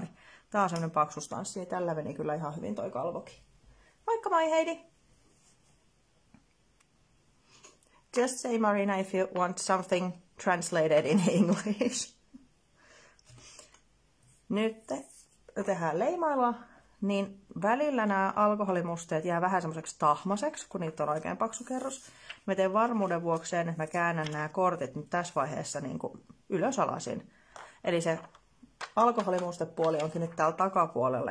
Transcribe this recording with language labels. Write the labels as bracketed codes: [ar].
[fi] Niin tää on semmonen paksu stanssi, ja tällä meni kyllä ihan hyvin toi kalvokin. Moikka, moi Heidi! [en] Just say Marina if you want something translated in English. [fi] Nyt tehdään leimailla, niin välillä nämä alkoholimusteet jää vähän semmoiseksi tahmaseksi, kun niitä on oikein paksu kerros. Mä teen varmuuden vuoksi, että mä käännän nämä kortit nyt tässä vaiheessa niin kuin ylösalaisin. Eli se alkoholimustepuoli onkin nyt täällä takapuolella.